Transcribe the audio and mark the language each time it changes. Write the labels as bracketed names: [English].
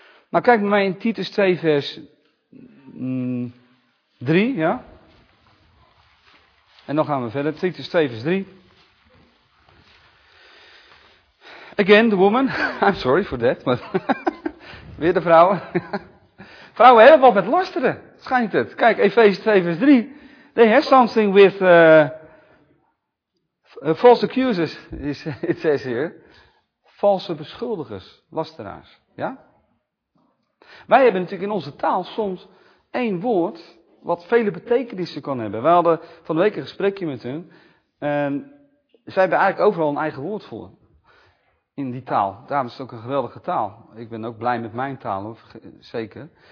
[Dutch] Maar kijk maar in Titus 2 vers 3, ja. En dan gaan we verder. Titus 2 vers 3. [English] Again, the woman. I'm sorry for that, but... [Dutch] Weer de vrouwen. Vrouwen hebben wat met lasteren, schijnt het. Kijk, Efeze 2 vers 3. [English] They have something with false accusers, it says here. [Dutch] Valse beschuldigers, lasteraars. Ja? Wij hebben natuurlijk in onze taal soms één woord wat vele betekenissen kan hebben. Wij hadden van de week een gesprekje met hun. En zij hebben eigenlijk overal een eigen woord voor. In die taal. Daarom is het ook een geweldige taal. Ik ben ook blij met mijn taal, zeker.